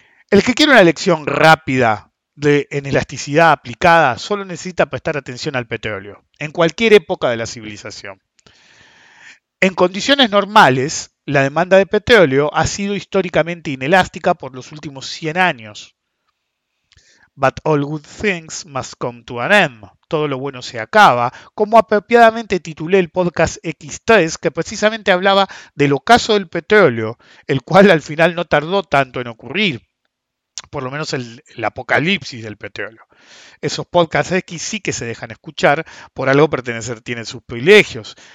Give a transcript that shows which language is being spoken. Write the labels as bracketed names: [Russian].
[Spanish] El que quiere una lección rápida en elasticidad aplicada solo necesita prestar atención al petróleo, en cualquier época de la civilización. En condiciones normales, la demanda de petróleo ha sido históricamente inelástica por los últimos 100 años. [English] But all good things must come to an end. [Spanish] Todo lo bueno se acaba, como apropiadamente titulé el podcast X3, que precisamente hablaba del ocaso del petróleo, el cual al final no tardó tanto en ocurrir, por lo menos el apocalipsis del petróleo. Esos podcasts X sí que se dejan escuchar, por algo pertenecer tienen sus privilegios.